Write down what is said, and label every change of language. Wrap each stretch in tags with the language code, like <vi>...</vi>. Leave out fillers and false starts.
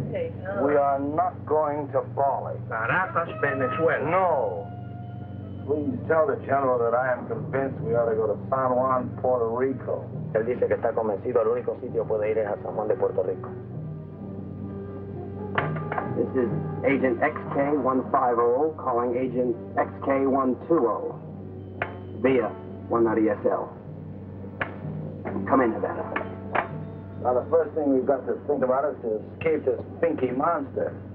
<en>Not going to Bali. Caracas, Venezuela. No. Please tell the general that I am convinced we ought to go to San Juan, Puerto Rico.</en> <es>Él dice que está convencido el único sitio puede ir es a San Juan de Puerto Rico.</es> <en>This is Agent XK150 calling Agent XK120 via 190SL. Come in, Nevada. Now, the first thing we've got to think about is to escape this pinky monster.</en>